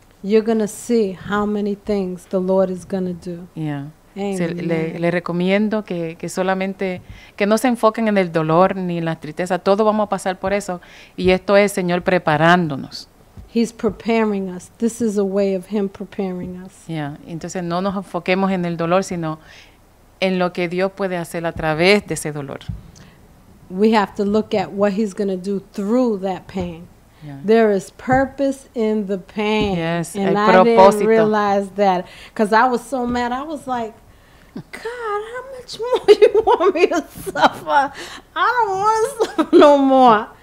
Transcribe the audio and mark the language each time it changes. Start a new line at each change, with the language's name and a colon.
English: You're going to see how many things the Lord is going to do. Yeah. Amen.
Spanish: Le recomiendo que solamente, que no se enfoquen en el dolor ni en la tristeza. Todo vamos a pasar por eso. Y esto es Señor preparándonos.
English: He's preparing us. This is a way of him preparing us. Yeah.
Spanish: Entonces no nos enfoquemos en el dolor, sino en lo que Dios puede hacer a través de ese dolor.
English: We have to look at what he's going to do through that pain. Yeah. There is purpose in the pain. Yes, and
Spanish: el propósito.
English: I didn't realize that because I was so mad. I was like, God, how much more you want me to suffer? I don't want to suffer no more.